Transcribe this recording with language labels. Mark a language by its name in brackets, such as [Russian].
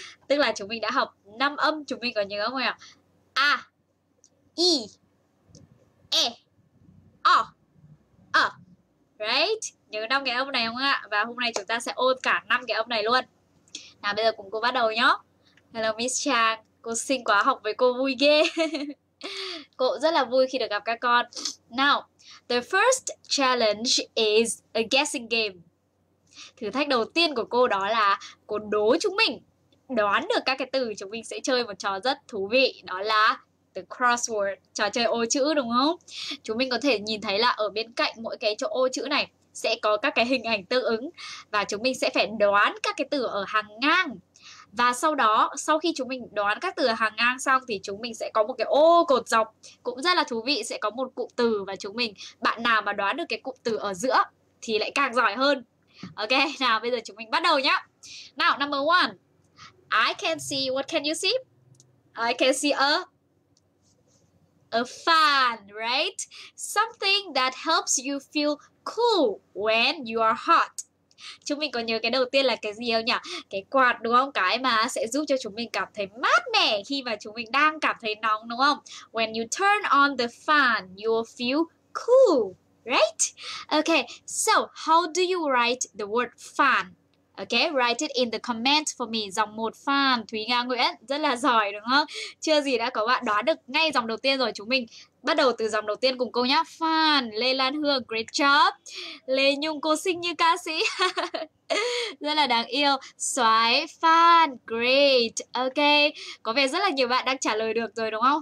[Vietnamese] Tức là chúng mình đã học 5 âm, chúng mình có nhớ không ạ? A, I, E, O, A, right? Nhớ 5 cái âm này không ạ? Và hôm nay chúng ta sẽ ôn cả 5 cái âm này luôn. Nào bây giờ cùng cô bắt đầu nhé. [English] Hello Miss Trang, [Vietnamese] cô xinh quá, học với cô vui ghê. Cô rất là vui khi được gặp các con. [English] Now, the first challenge is a guessing game. [Vietnamese] Thử thách đầu tiên của cô đó là cô đố chúng mình đoán được các cái từ. Chúng mình sẽ chơi một trò rất thú vị, đó là the crossword, trò chơi ô chữ đúng không? Chúng mình có thể nhìn thấy là ở bên cạnh mỗi cái chỗ ô chữ này sẽ có các cái hình ảnh tương ứng và chúng mình sẽ phải đoán các cái từ ở hàng ngang. Và sau đó, sau khi chúng mình đoán các từ hàng ngang xong thì chúng mình sẽ có một cái ô cột dọc. Cũng rất là thú vị, sẽ có một cụm từ và chúng mình, bạn nào mà đoán được cái cụm từ ở giữa thì lại càng giỏi hơn. Ok, nào bây giờ chúng mình bắt đầu nhá. [English] Nào, number one. I can see, what can you see? I can see a fan, right? Something that helps you feel cool when you are hot. [Vietnamese] Chúng mình có nhớ cái đầu tiên là cái gì không nhỉ? Cái quạt đúng không? Cái mà sẽ giúp cho chúng mình cảm thấy mát mẻ khi mà chúng mình đang cảm thấy nóng đúng không? [English] When you turn on the fan, you'll feel cool, right? Okay, so how do you write the word fan? Ok, write it in the comment for me. [Vietnamese] Dòng một fan Thúy Nga Nguyễn. Rất là giỏi đúng không? Chưa gì đã có bạn đoán được ngay dòng đầu tiên rồi. Chúng mình bắt đầu từ dòng đầu tiên cùng cô nhá. Fan Lê Lan Hương, [English] great job. [Vietnamese] Lê Nhung, cô xinh như ca sĩ. Rất là đáng yêu. Soái fan, great. Ok, có vẻ rất là nhiều bạn đang trả lời được rồi đúng không?